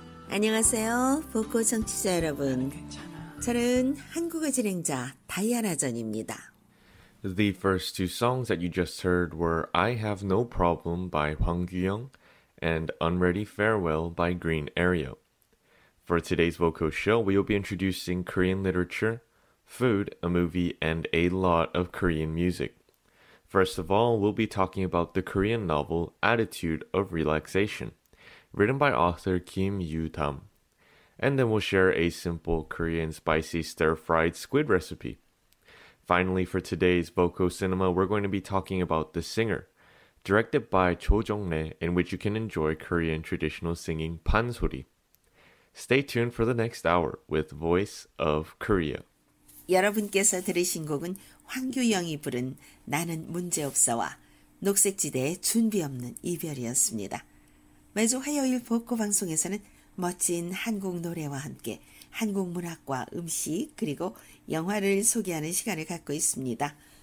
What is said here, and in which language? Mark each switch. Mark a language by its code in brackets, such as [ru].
[ko] 안녕하세요, 보코 청취자 여러분. 저는 한국어 진행자 다이아나 전입니다. [en] The first two songs that you just heard were I Have No Problem by Hwang Kyung and Unready Farewell by Green Aerial. For today's Voco show, we will be introducing Korean literature, food, a movie, and a lot of Korean music. First of all, we'll be talking about the Korean novel Attitude of Relaxation, written by author Kim Yoo-tam. And then we'll share a simple Korean spicy stir-fried squid recipe. Finally, for today's Voco Cinema, we're going to be talking about The Singer, directed by Cho Jong-rae, in which you can enjoy Korean traditional singing pansori. Stay tuned for the next hour with Voice of Korea. [ko] 여러분께서 들으신 곡은 황규영이 부른 나는 문제없어와 녹색지대의 준비 없는 이별이었습니다. 매주 화요일 복고 방송에서는 멋진 한국 노래와 함께 한국 문학과 음식 그리고 영화를 소개하는 시간을 갖고 있습니다.